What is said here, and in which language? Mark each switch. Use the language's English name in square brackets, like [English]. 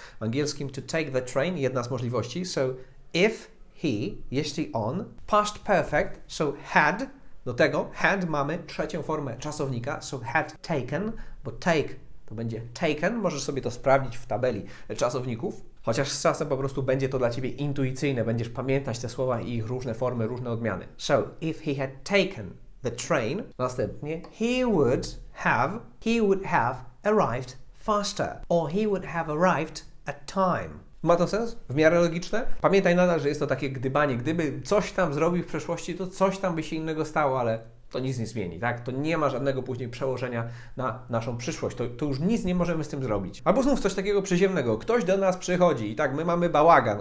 [Polish] W angielskim to take the train, jedna z możliwości. So if he, jeśli on, past perfect, so had, do tego had mamy trzecią formę czasownika, so had taken, bo take to będzie taken, możesz sobie to sprawdzić w tabeli czasowników. Chociaż z czasem po prostu będzie to dla Ciebie intuicyjne, będziesz pamiętać te słowa i ich różne formy, różne odmiany. [English] So, if he had taken the train, [Polish] następnie, [English] he would have arrived faster, or he would have arrived at time. [Polish] Ma to sens? W miarę logiczne? Pamiętaj nadal, że jest to takie gdybanie. Gdyby coś tam zrobił w przeszłości, to coś tam by się innego stało, ale to nic nie zmieni, tak? To nie ma żadnego później przełożenia na naszą przyszłość. To już nic nie możemy z tym zrobić. Albo znów coś takiego przyziemnego. Ktoś do nas przychodzi i tak, my mamy bałagan.